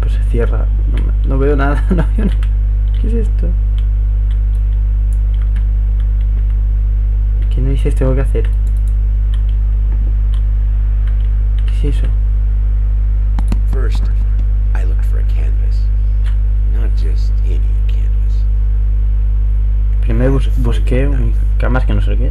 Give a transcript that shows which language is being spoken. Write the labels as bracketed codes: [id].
[es] Tierra, no veo nada, no veo nada. ¿Qué es esto? ¿Qué narices tengo que hacer? ¿Qué es eso? [en] First, I look for a canvas. Not just any canvas. [es] Primero busqué un canvas que no sé qué.